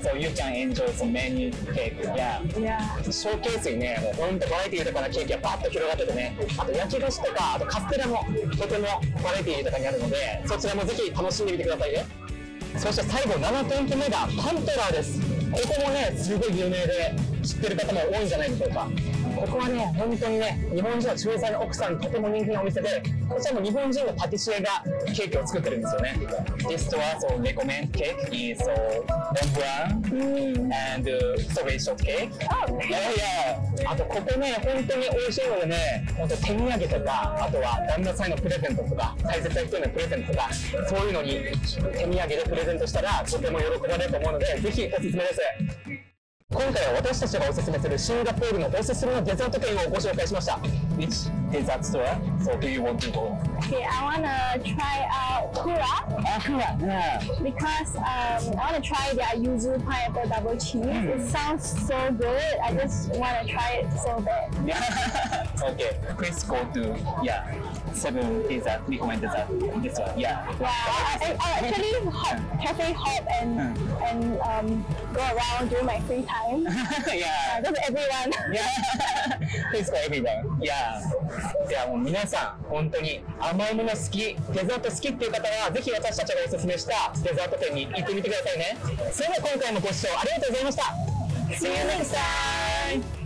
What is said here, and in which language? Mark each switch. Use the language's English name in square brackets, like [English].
[English] So you can enjoy the menu cake. Yeah. Yeah. [Japanese] ショーケースにね、もうほんとバラエティー豊かなケーキがバッと広がっててね、あと焼き菓子とか、あとカステラもとてもバラエティー豊かにあるので、そちらもぜひ楽しんでみてくださいね。そして最後7店舗目がパントラーです。ここもね、すごい有名で知ってる方も多いんじゃないでしょうか。ここはね、本当にね、日本人の駐在の奥さんにとても人気のお店で、こちらも日本人のパティシエがケーキを作ってるんですよね。 [English] This store, so recommend cake is so bon brun and strawberry shortcake. Oh, [Japanese] yeah, yeah. あとここね、本当に美味しいのでね、本当手土産とか、あとは旦那さんへのプレゼントとか、大切な人へのプレゼントとか、そういうのに手土産でプレゼントしたらとても喜ばれると思うので、ぜひおすすめです。今回は私たちがおすすめするシンガポールのおすすめのデザート店をご紹介しました。 [English] Which dessert store? So do you want to go? Okay, I wanna try out Kura. Kura, yeah. Because I wanna try their yuzu pineapple double cheese. It sounds so good. I just wanna try it so bad. Yeah. Okay, please go to seven dessert recommended dessert. This one, I actually hop, cafe hop and go around during my free time. time. Yeah. Just everyone. Yeah. Please for everyone. Yeah. [Japanese] じゃあもう皆さん本当に甘いもの好きデザート好きっていう方はぜひ私たちがおすすめしたデザート店に行ってみてくださいね。それでは今回もご視聴ありがとうございました。 [English] See you next time。